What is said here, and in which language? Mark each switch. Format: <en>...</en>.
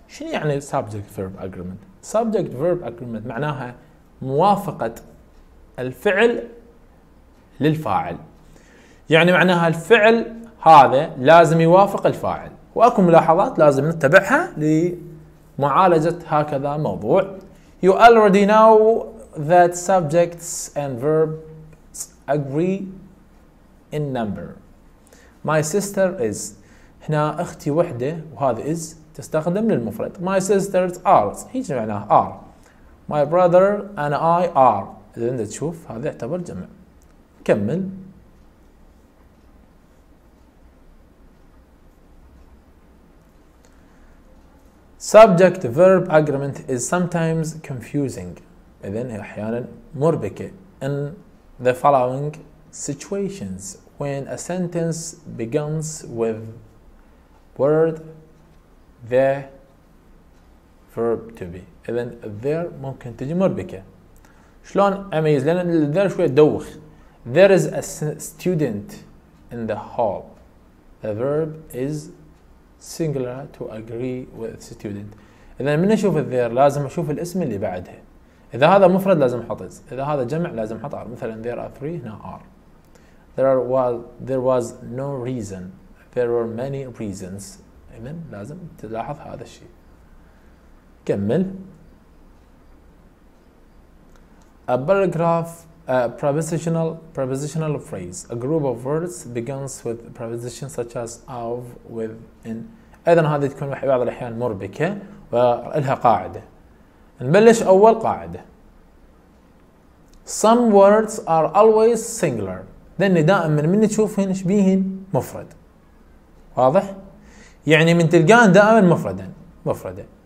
<ar>شنو يعني</ar> <en>Subject Verb Agreement؟</en> <ar>Subject Verb Agreement معناها موافقة الفعل للفاعل، يعني معناها الفعل هذا لازم يوافق الفاعل، وأكو ملاحظات لازم نتبعها معالجة هكذا موضوع.</ar> <en>You already know that subjects and verbs agree in number. My sister is.</en> <ar>هنا أختي وحدة وهذا is تستخدم للمفرد.</ar> <en>My sisters are.</en> <ar>هيج معناه</ar> <en>are. My brother and I are.</en> <ar>إذا أنت تشوف هذا يعتبر جمع. كمل.</ar> <en>Subject verb agreement is sometimes confusing.</en> <ar>إذن أحيانا مربكة.</ar> <en>In the following situations, when a sentence begins with word the verb to be.</en> <ar>إذن there ممكن تجي مربكة. شلون أميز؟ لأن there شوية دوخ.</ar> <en>There is a student in the hall. The verb is singular to agree with student.</en> <ar>إذا من أشوف الذير لازم أشوف الاسم اللي بعدها. إذا هذا مفرد لازم أحط is. إذا هذا جمع لازم أحط are. مثلا</ar> <en>there are three</en> <ar>هنا are.</ar> <en>There was no reason. There were many reasons.</en> <ar>إذا لازم تلاحظ هذا الشيء. كمل.</ar> <en>A paragraph, a prepositional phrase. A group of words begins with prepositions such as of, with, in.</en> <ar>ايضا هذه تكون بعض الاحيان مربكه ولها قاعده. نبلش اول قاعده.</ar> <en>Some words are always singular.</en> <ar>لان دائما من تشوفهن شبيهن مفرد. واضح؟ يعني من تلقان دائما مفردا مفرده.</ar>